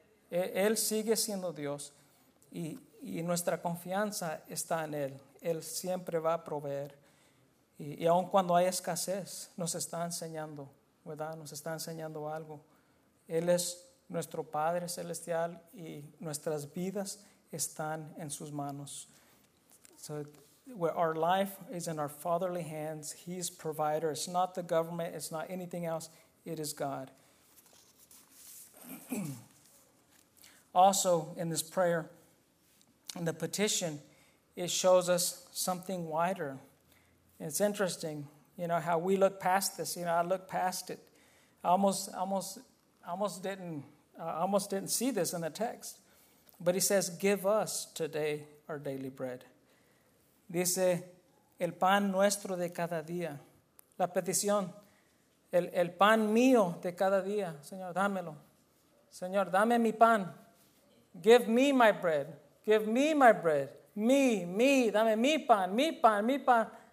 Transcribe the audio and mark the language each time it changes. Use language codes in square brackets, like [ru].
[es] Él sigue siendo Dios y nuestra confianza está en Él. Él siempre va a proveer. Y aun cuando hay escasez, nos está enseñando, ¿verdad? Nos está enseñando algo. Él es nuestro Padre Celestial y nuestras vidas están en sus manos. [en] So, where our life is in our fatherly hands, He is provider. It's not the government, it's not anything else, it is God. Also, in this prayer, in the petition, it shows us something wider. It's interesting, you know, how we look past this. You know, I look past it. I almost didn't see this in the text. But he says, give us today our daily bread. [es] Dice, el pan nuestro de cada día. La petición, el pan mío de cada día. Señor, dámelo. Señor, dame mi pan. [en] Give me my bread. Give me my bread. Me, [es] dame mi pan, mi pan, mi pan.